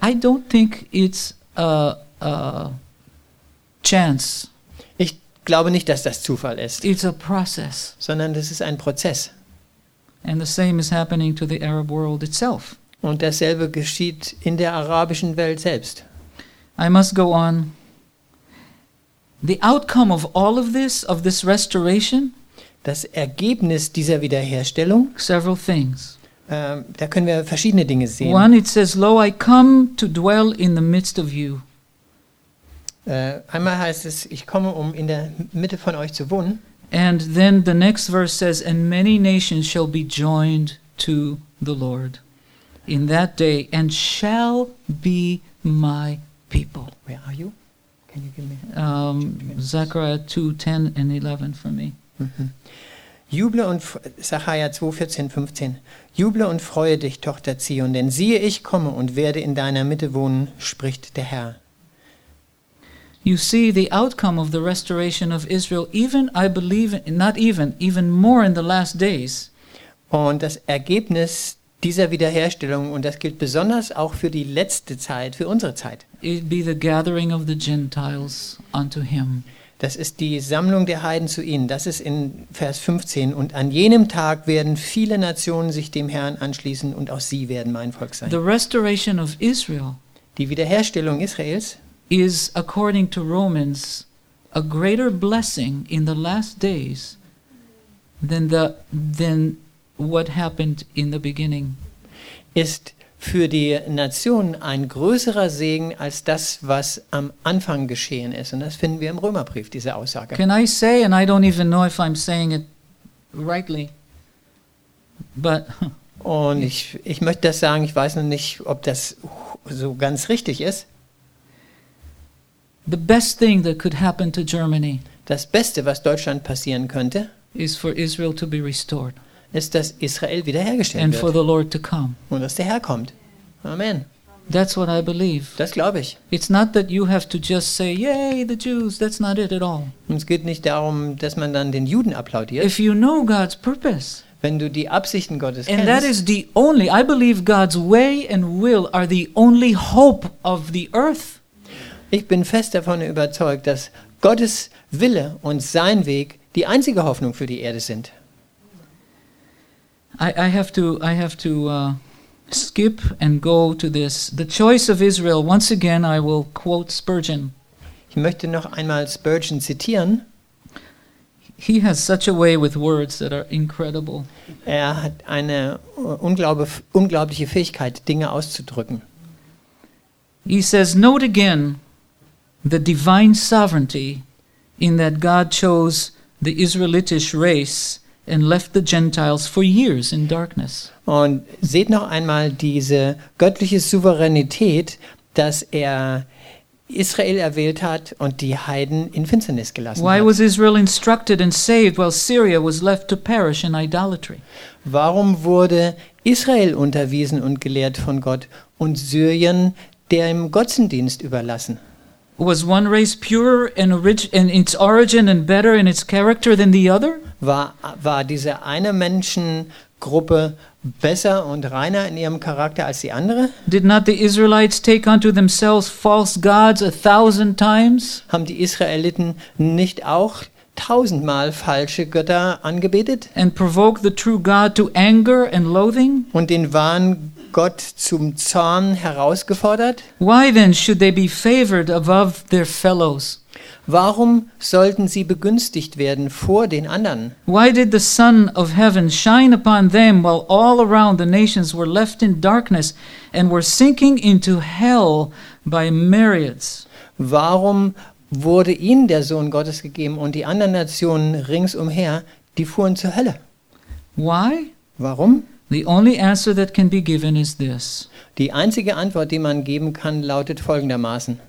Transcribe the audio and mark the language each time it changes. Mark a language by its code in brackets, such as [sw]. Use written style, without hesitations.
[en] I don't think it's a chance. [de] Ich glaube nicht, dass das Zufall ist. [en] It's a process. [de] Sondern das ist ein Prozess. [en] And the same is happening to the Arab world itself. [de] Und dasselbe geschieht in der arabischen Welt selbst. [en] I must go on. The outcome of all of this restoration, [de] das Ergebnis dieser Wiederherstellung, [en] several things. [de] Da können wir verschiedene Dinge sehen. [en] One, it says, "Lo, I come to dwell in the midst of you." [de] Einmal heißt es, ich komme, um in der Mitte von euch zu wohnen. [en] And then the next verse says, "And many nations shall be joined to the Lord in that day, and shall be my people." Where are you? Can you give me Zechariah 2:10-11 for me? Mm-hmm. [de] Juble und Zechariah 2:14-15. Juble und freue dich, Tochter Zion, denn siehe, ich komme und werde in deiner Mitte wohnen, spricht der Herr. [en] You see the outcome of the restoration of Israel, even I believe, not even, even more in the last days. [de] Und das Ergebnis dieser Wiederherstellung, und das gilt besonders auch für die letzte Zeit, für unsere Zeit. [en] It be the gathering of the Gentiles unto him. [de] Das ist die Sammlung der Heiden zu ihnen. Das ist in Vers 15. Und an jenem Tag werden viele Nationen sich dem Herrn anschließen, und auch sie werden mein Volk sein. [en] The restoration of Israel, [de] die Wiederherstellung Israels, [en] is according to Romans a greater blessing in the last days than the than what happened in the beginning. [de] Ist für die Nation ein größerer Segen als das, was am Anfang geschehen ist. Und das finden wir im Römerbrief, diese Aussage. [en] Can I say, and I don't even know if I'm saying it rightly, but... [de] Und ich möchte das sagen, ich weiß noch nicht, ob das so ganz richtig ist. [en] The best thing that could happen to Germany, [de] das Beste, was Deutschland passieren könnte, [en] is for Israel to be restored. [de] Ist, dass Israel wiederhergestellt [en] and [de] wird. [en] For the Lord to come. [de] Und dass der Herr kommt. Amen. [en] That's what I believe. [de] Das glaube ich. [en] It's not that you have to just say, yay, the Jews, that's not it at all. [de] Und es geht nicht darum, dass man dann den Juden applaudiert. [en] If you know God's purpose, [de] wenn du die Absichten Gottes [en] and [de] kennst, [en] that is the only, I believe God's way and will are the only hope of the earth. [de] Ich bin fest davon überzeugt, dass Gottes Wille und sein Weg die einzige Hoffnung für die Erde sind. [en] I have to skip and go to this. The choice of Israel. Once again, I will quote Spurgeon. [de] Ich möchte noch einmal Spurgeon zitieren. [en] He has such a way with words that are incredible. [de] Er hat eine unglaubliche Fähigkeit, Dinge auszudrücken. [en] He says, "Note again the divine sovereignty in that God chose the Israelitish race and left the Gentiles for years in darkness." [de] Und seht noch einmal diese göttliche Souveränität, dass er Israel erwählt hat und die Heiden in Finsternis gelassen [en] Why Why was Israel instructed and saved while Syria was left to perish in idolatry? [de] Warum wurde Israel unterwiesen und gelehrt von Gott und Syrien dem Götzendienst überlassen? [en] Was one race purer in its origin and better in its character than the other? [de] War diese eine Menschengruppe besser und reiner in ihrem Charakter als die andere? [en] Did not the Israelites take unto themselves false gods 1,000 times? [de] Haben die Israeliten nicht auch 1,000-mal falsche Götter angebetet? [en] And provoked the true God to anger and loathing? [de] Und den wahren Gott zum Zorn herausgefordert? [en] Why then should they be favored above their fellows? [de] Warum sollten sie begünstigt werden vor den anderen? [en] Why did the sun of heaven shine upon them while all around the nations were left in darkness and were sinking into hell by myriads? [de] Warum wurde ihnen der Sohn Gottes gegeben und die anderen Nationen ringsumher, die fuhren zur Hölle? [en] Why? [de] Warum? [en] The only answer that can be given is this. [de] Die einzige Antwort, die man geben kann, lautet folgendermaßen.